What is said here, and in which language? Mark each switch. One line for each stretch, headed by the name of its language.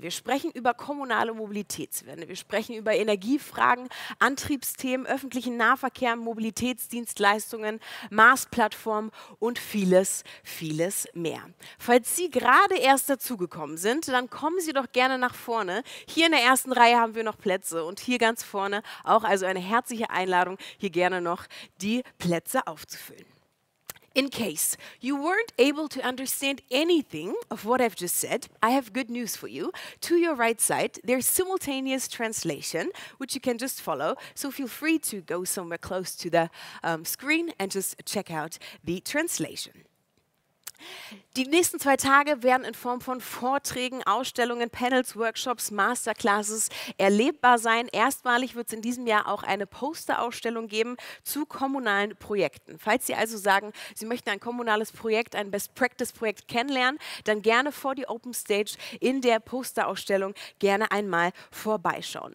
German: Wir sprechen über kommunale Mobilitätswende, wir sprechen über Energiefragen, Antriebsthemen, öffentlichen Nahverkehr, Mobilitätsdienstleistungen, Maßplattform und vieles, vieles mehr. Falls Sie gerade erst dazugekommen sind, dann kommen Sie doch gerne nach vorne. Hier in der ersten Reihe haben wir noch Plätze und hier ganz vorne auch, also eine herzliche Einladung, hier gerne noch die Plätze aufzuführen.
English: In case you weren't able to understand anything of what I've just said, I have good news for you. To your right side, there's simultaneous translation, which you can just follow. So feel free to go somewhere close to the screen and just check out the translation.
German: Die nächsten zwei Tage werden in Form von Vorträgen, Ausstellungen, Panels, Workshops, Masterclasses erlebbar sein. Erstmalig wird es in diesem Jahr auch eine Posterausstellung geben zu kommunalen Projekten. Falls Sie also sagen, Sie möchten ein kommunales Projekt, ein Best-Practice-Projekt kennenlernen, dann gerne vor die Open Stage in der Posterausstellung gerne einmal vorbeischauen.